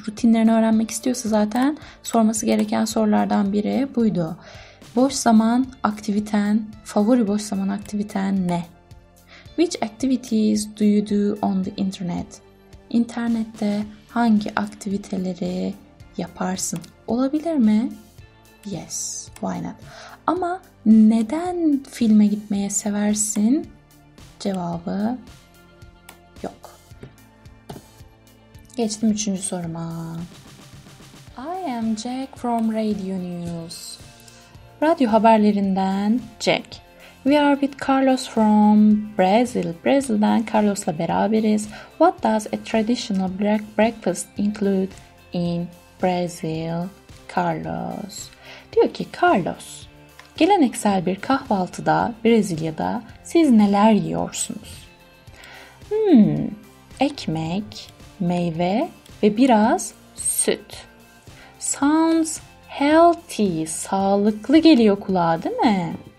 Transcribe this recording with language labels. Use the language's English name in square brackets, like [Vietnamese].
[Turkish] Rutinlerini öğrenmek istiyorsa zaten sorması gereken sorulardan biri buydu. Boş zaman aktiviten, favori boş zaman aktiviten ne? [English] Which activities do you do on the internet? [Turkish] İnternette hangi aktiviteleri yaparsın? Olabilir mi? [English] Yes, why not? [Turkish] Ama neden filme gitmeye seversin? Cevabı yok. Geçtim üçüncü soruma. [English] I am Jack from Radio News. [Turkish] Radyo haberlerinden Jack. [English] We are with Carlos from Brazil. [Turkish] Brazil'den Carlos'la beraberiz. [English] What does a traditional breakfast include in Brazil? Carlos. [Turkish] Diyor ki Carlos, geleneksel bir kahvaltıda Brezilya'da siz neler yiyorsunuz? Ekmek, meyve ve biraz süt. [English] Sounds healthy, [Turkish] sağlıklı geliyor kulağa, değil mi?